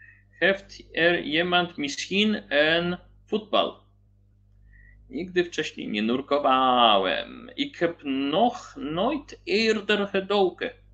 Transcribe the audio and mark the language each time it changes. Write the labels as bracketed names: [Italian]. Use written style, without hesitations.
[Dutch] Heeft er jemand misschien een voetbal? [Polish] Nigdy wcześniej nie nurkowałem. [Dutch] Ik heb nog nooit eerder gedoken.